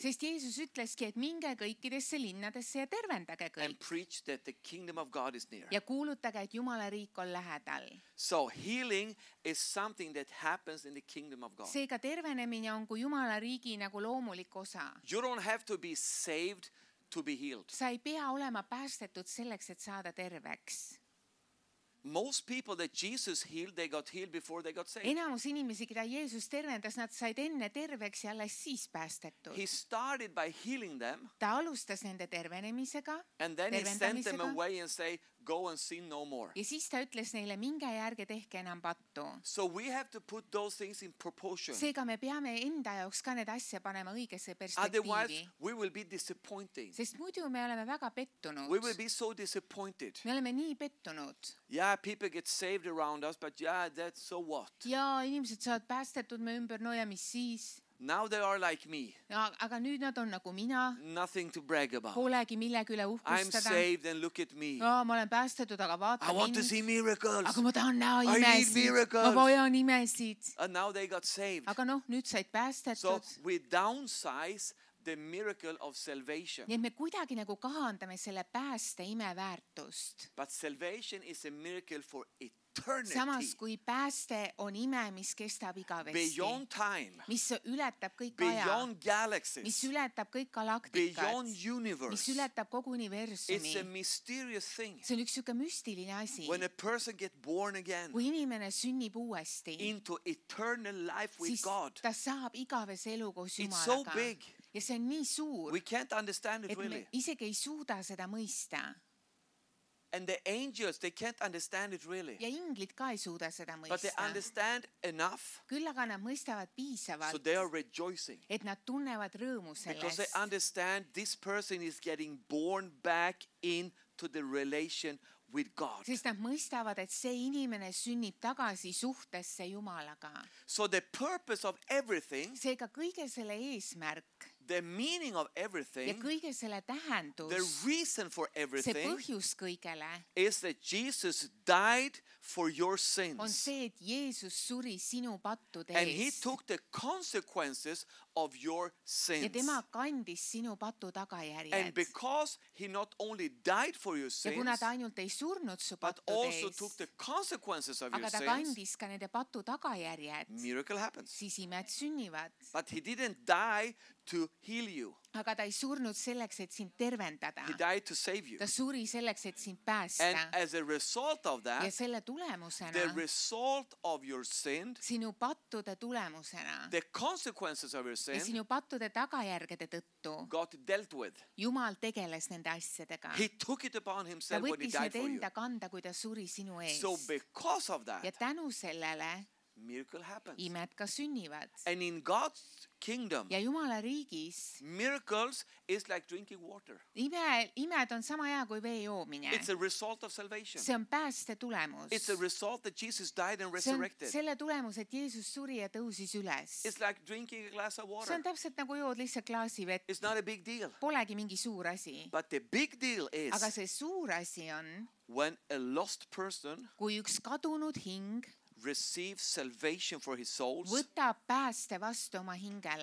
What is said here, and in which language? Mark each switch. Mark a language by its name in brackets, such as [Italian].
[Estonian] Sest Jeesus ütleski, et minge kõikidesse linnadesse ja tervendage kõik. [English] And preach that the kingdom of God is near. [Estonian] Ja kuulutage, et Jumala riik on lähedal. [English] So healing is something that happens in the kingdom of God. [Estonian] Seega tervenemine on kui Jumala riigi nagu loomulik osa. [English] You don't have to be saved to be healed. [Estonian] Sa ei pea olema päästetud selleks, et saada terveks. [English] Most people that Jesus healed, they got healed before they got saved. [Estonian] Enamus inimesi, keda Jeesus tervendas, nad said enne terveks ja alles siis päästetud. [English] He started by healing them. [Estonian] Ta alustas nende tervenemisega. [English] And then he sent them away and say, go and sin no more. [Estonian] Ja siis ta ütles neile, minge järge tehke enam pattu. [English] So we have to put those things in proportion. [Estonian] Seega me peame enda jaoks ka need asja panema õigese perspektiivi. [English] Otherwise, we will be disappointing. [Estonian] Sest muidu me oleme väga pettunud. [English] We will be so disappointed. [Estonian] Me oleme nii pettunud. [English] Yeah, people get saved around us, but yeah, that's so what? [Estonian] Jaa, inimesed saavad päästetud me ümber, no ja mis siis? [English] Now they are like me. [Estonian] Aga nüüd nad on nagu mina. [English] Nothing to brag about. [Estonian] Polegi millegi üle uhkustada. [English] I'm saved and look at me. [Estonian] Ma olen päästetud, aga vaata mind. [English] I want to see miracles. [Estonian] Aga ma tahan näha imesid. [English] I need miracles. [Estonian] Ma vajan imesid. [English] And now they got saved. [Estonian] Aga noh, nüüd said päästetud. [English] So we downsize the miracle of salvation. [Estonian] Nii et me kuidagi nagu kahandame selle pääste ime väärtust. [English] But salvation is a miracle for it. [Estonian] Samas kui pääste on ime, mis kestab igavesti. [English] Beyond time. [Estonian] Mis ületab kõik [English] beyond [Estonian] aja. [English] Beyond galaxies. [Estonian] Mis ületab kõik galaktikad. [English] Beyond universe. [Estonian] Mis ületab kogu universumi. [English] It's a mysterious thing. [Estonian] See on üks selline müstiline asi. [English] When a person get born again. [Estonian] Kui inimene sünnib uuesti. [English] Into eternal life with God. [Estonian] Ta saab igaves elu koos Jumalaga. [English] It's so big. [Estonian] Ja see on nii suur. [English] We can't understand it really. [Estonian] Isegi ei suuda seda mõista. [English] And the angels, they can't understand it really. [Estonian] Ja inglid ka ei suuda seda mõista. [English] But they understand enough. [Estonian] Küll aga nad mõistavad piisavalt. [English] So they are rejoicing. [Estonian] Et nad tunnevad rõõmu sellest. [English] Because they understand this person is getting born back into the relation with God. [Estonian] Sest nad mõistavad, et see inimene sünnib tagasi suhtesse Jumalaga. [English] So the purpose of everything. [Estonian] Seega kõige selle eesmärk. [English] The meaning of everything, [Estonian] ja kõige selle tähendus, [English] the reason for everything, [Estonian] see põhjus kõigele, [English] is that Jesus died for your sins. [Estonian] On see, et Jeesus suri sinu pattud ees. [English] And he took the consequences of your sins. [Estonian] Ja tema kandis sinu pattu tagajärjed. [English] And because he not only died for your sins, [Estonian] ja kuna ta ainult ei surnud su pattud ees, [English] but also took the consequences of your sins, [Estonian] aga ta kandis ka nende pattu tagajärjed, [English] miracle happens. [Estonian] Siis imed sünnivad. [English] But he didn't die to heal you. [Estonian] Aga ta ei surnud selleks, et sind tervendada. [English] He died to save you. [Estonian] Ta suri selleks, et sind päästa. [English] And as a result of that, [Estonian] ja selle tulemusena, [English] the result of your sin, [Estonian] sinu pattude tulemusena, [English] the consequences of your sin, [Estonian] ja sinu pattude tagajärgede tõttu, [English] God dealt with. [Estonian] Jumal tegeles nende asjadega. [English] He took it upon himself when he died for you. [Estonian] Ta võttis enda kanda, kui ta suri sinu ees. [English] So because of that, [Estonian] ja tänu sellele, [English] miracle happens. [Estonian] Imed ka sünnivad. [English] And in God's kingdom. [Estonian] Ja Jumala riigis. [English] Miracles is like drinking water. [Estonian] Imed on sama hea kui vee joomine. [English] It's a result of salvation. [Estonian] See on pääste tulemus. [English] It's a result that Jesus died and resurrected. [Estonian] See on selle tulemus, et Jeesus suri ja tõusis üles. [English] It's like drinking a glass of water. [Estonian] See on täpselt nagu jood lihtsalt klaasi vett. [English] It's not a big deal. [Estonian] Polegi mingi suur asi. [English] But the big deal is. [Estonian] Aga see suur asi on. [English] When a lost person. [Estonian] Kui üks kadunud hing. [English] Receive salvation for his souls. [Estonian] Võtab pääste vastu oma hingele.